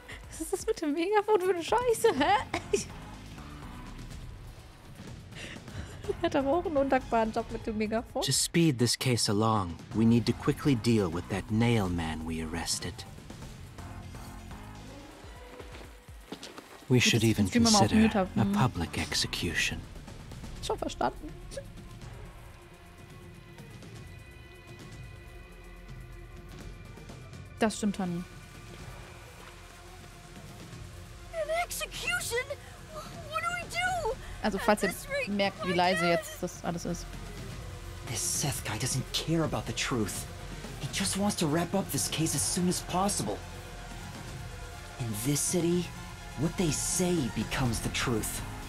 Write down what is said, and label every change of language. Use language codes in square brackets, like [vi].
[de] Was ist das mit dem Megafon für eine Scheiße, hä? [en] To speed this case along, we need to quickly deal with that nail man we arrested. We should even consider a public execution. [de] Schon verstanden. Das stimmt, Honey. [en] An execution? What do we do? [de] Also falls ihr merkt, wie leise jetzt das alles ist. [en] This Seth guy doesn't care about the truth. He just wants to wrap up this case as soon as possible. In this city, what they say becomes the truth.